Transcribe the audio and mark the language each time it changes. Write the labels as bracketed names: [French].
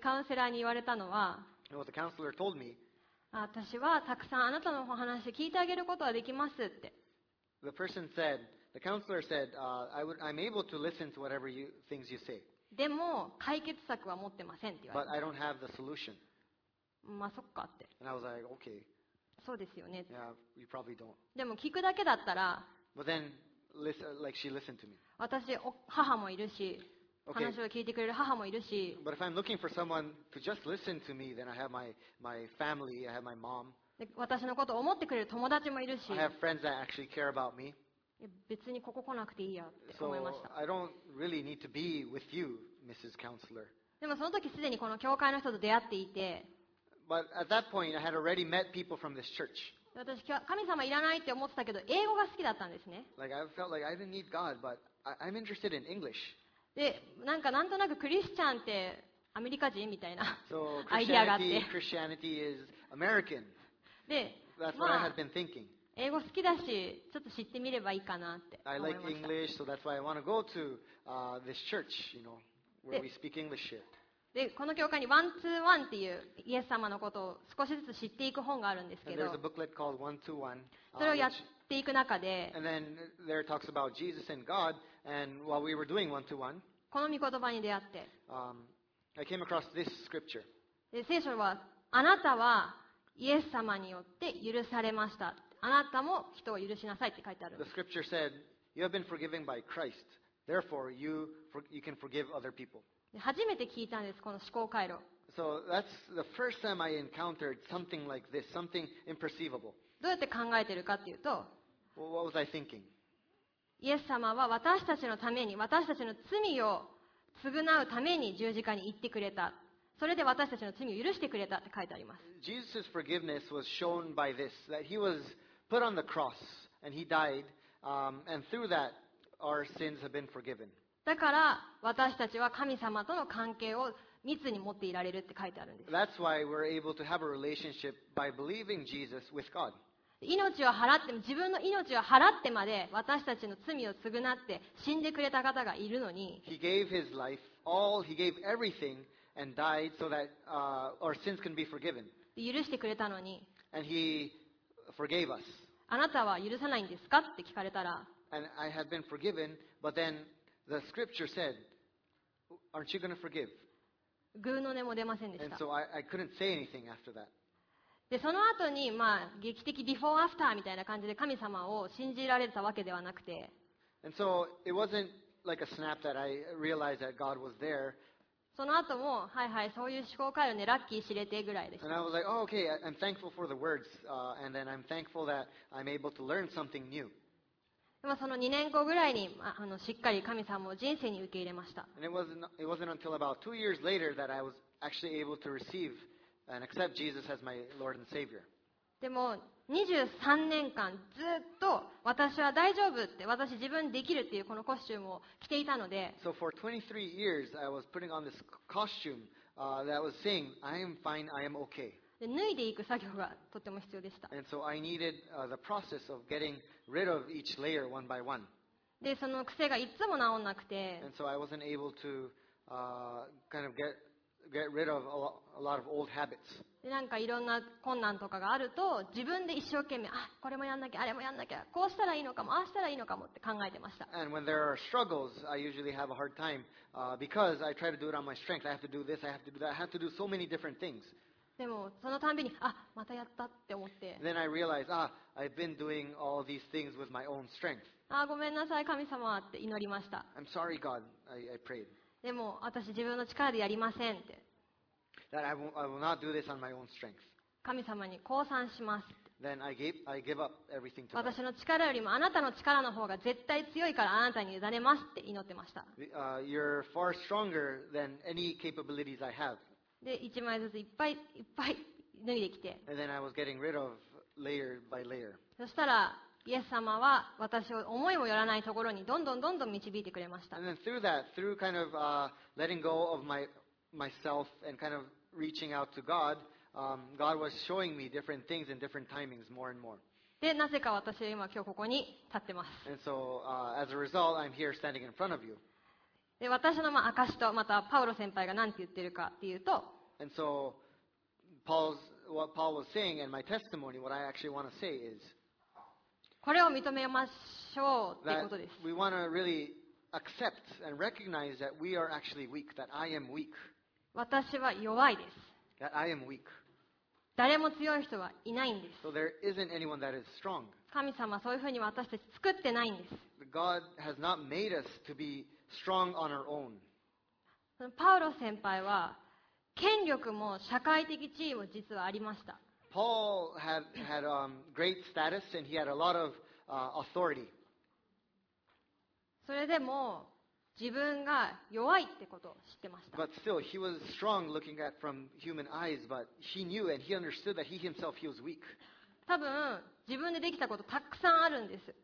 [Japanese] カウンセラーに言われたのは、私はたくさんあなたのお話聞いてあげることはできますって。 [English] The person said, the counselor said, I'm able to listen to whatever you, things you say. [Japanese] でも解決策は持ってませんって言われて。 [English] But I don't have the solution. [Japanese] まあそっかって。 [English] And I was like, okay. [Japanese] そうですよね。 [English] Yeah, you probably don't. [Japanese] でも聞くだけだったら、 [English] But then, listen, like、she listened to me. [Japanese] 私母もいるし、 [English] okay. [Japanese] 話を聞いてくれる母もいるし、 [English] But if I'm looking for someone to just listen to me, then I have my family, I have my mom. [Japanese] 私のことを思ってくれる友達もいるし、 [English] I have friends that actually care about me. [Japanese] 別にここ来なくていいやって思いました。 [English] So I don't really need to be with you, Mrs. Counselor. [Japanese] でもその時すでにこの教会の人と出会っていて。 [English] But at that point, I had already met people from this church. [Japanese] 私、神様いらないって思ってたけど、英語が好きだったんですね。 [English] Like, I felt like I didn't need God, but I'm interested in English. [Japanese] で、なんかなんとなくクリスチャンってアメリカ人みたいなアイデアがあって。 [English] So, Christianity is American. [Japanese] で、 [English] that's what I had been thinking. [Japanese] 英語好きだし、ちょっと知ってみればいいかなって思いました。 [English] I like English, so that's why I want to go to this church, you know, where we speak English here. [Japanese] でこの教会にワンツーワンっていうイエス様のことを少しずつ知っていく本があるんですけど、それをやっていく中で、この御言葉に出会って、 [English] I came across this scripture. [Japanese] 聖書はあなたはイエス様によって許されました。あなたも人を許しなさいって書いてあるんです。 [English] The scripture said, "You have been forgiven by Christ. Therefore, you can forgive other people." [Japanese] 初めて聞いたんです、この思考回路。 [English] So that's the first time I encountered something like this, something imperceivable. [Japanese] どうやって考えてるかっていうと、 [English] Well, what was I thinking? [Japanese] イエス様は私たちのために、私たちの罪を償うために十字架に行ってくれた。それで私たちの罪を許してくれたって書いてあります。 [English] Jesus' forgiveness was shown by this, that he was put on the cross and he died, and through that our sins have been forgiven. [Japanese] だから私たちは神様との関係を密に持っていられるって書いてあるんです。 [English] That's why we're able to have a relationship by believing Jesus with God. [Japanese] 命を払って、自分の命を払ってまで私たちの罪を償って死んでくれた方がいるのに、 [English] He gave his life, all, he gave everything and died so that our sins can be forgiven. [Japanese] 許してくれたのに、 [English] And he forgave us. [Japanese] あなたは許さないんですかって聞かれたら、 [English] And I had been forgiven, but then The scripture said, "Aren't you going to forgive?" [Japanese] グーの音も出ませんでした。 [English] And so I couldn't say anything after that. [Japanese] でその後にまあ劇的 before after みたいな感じで神様を信じられたわけではなくて。 [English] And so it wasn't like a snap that I realized that God was there. [Japanese] その後もはいはいそういう思考回路ねラッキー知れてぐらいでした。 [English] And I was like, "Oh, okay. I'm thankful for the words. And then I'm thankful that I'm able to learn something new." [Japanese] でもその2年後ぐらいにしっかり神様を人生に受け入れました。でも23 年間ずっと私は大丈夫って私自分できるっていうこのコスチュームを着ていたので。 [English] So for 23 years I was putting on this costume that was saying I am fine, I am okay. [Japanese] で脱いでいく作業がとても必要でした。 [English] And so I needed, the process of getting rid of each layer one by one. [Japanese] で、その癖がいつも治んなくて。 [English] And so I wasn't able to, kind of get rid of a lot of old habits. [Japanese] で、なんかいろんな困難とかがあると、自分で一生懸命、あ、これもやんなきゃ、あれもやんなきゃ、こうしたらいいのかも、ああしたらいいのかもって考えてました。 [English] And when there are struggles, I usually have a hard time, because I try to do it on my strength. I have to do this, I have to do that, I have to do so many different things. [Japanese] でもそのたんびにあまたやったって思って。 [English] Then I realized, I've been doing all these things with my own strength. [Japanese] あごめんなさい神様って祈りました。 [English] I'm sorry, God. I prayed. [Japanese] でも私自分の力でやりませんって。 [English] That I will not do this on my own strength. [Japanese] 神様に降参します。 [English] Then I give up everything to God. [Japanese] 私の力よりもあなたの力の方が絶対強いからあなたに委ねますって祈ってました。 [English] You're far stronger than any capabilities I have. [Japanese] で一枚ずついっぱいいっぱい脱いできて、 [English] And then I was getting rid of layer by layer. [Japanese] そしたらイエス様は私を思いもよらないところにどんどんどんどん導いてくれました。 [English] And then through that, through kind of letting go of myself and kind of reaching out to God, God was showing me different things and different timings more and more. [Japanese] で、なぜか私は今今日ここに立ってます。 [English] And so, as a result, I'm here standing in front of you. [Japanese] で、私のまあ証と、またパウロ先輩が何て言ってるかっていうと、 [English] And so, Paul's, what Paul was saying and my testimony, what I actually want to say is, [Japanese] これを認めましょうっていうことです。 [English] That we want to really accept and recognize that we are actually weak, that I am weak. [Japanese] 私は弱いです。 [English] That I am weak. [Japanese] 誰も強い人はいないんです。 [English] So、there isn't anyone that is strong. [Japanese] 神様はそういうふうに私たち作ってないんです。 [English] God has not made us to be strong on our own. [Japanese] パウロ先輩は権力も社会的地位も実はありました。 [English] Paul had great status and he had a lot of authority. [Japanese] それでも自分が弱いってことを知ってました。 [English] But still, he was strong looking at from human eyes, but he knew and he understood that he himself he was weak. [Japanese] 多分自分でできたことたくさんあるんです。